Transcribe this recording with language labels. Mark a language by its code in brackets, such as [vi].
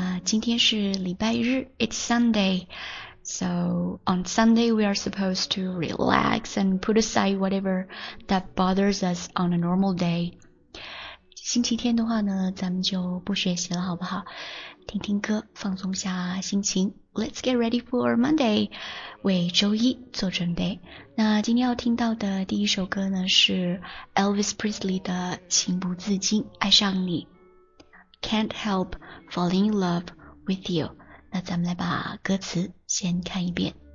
[zh] 今天是礼拜日, [en] it's Sunday. So on Sunday, we are supposed to relax and put aside whatever that bothers us on a normal day. [zh] 星期天的话呢，咱们就不学习了，好不好？听听歌，放松下心情。 [en] Let's get ready for Monday, [zh] 为周一做准备。那今天要听到的第一首歌呢，是 Elvis Presley 的《情不自禁爱上你》。 [en] Can't help falling in love with you. [zh] 那咱们来把歌词先看一遍。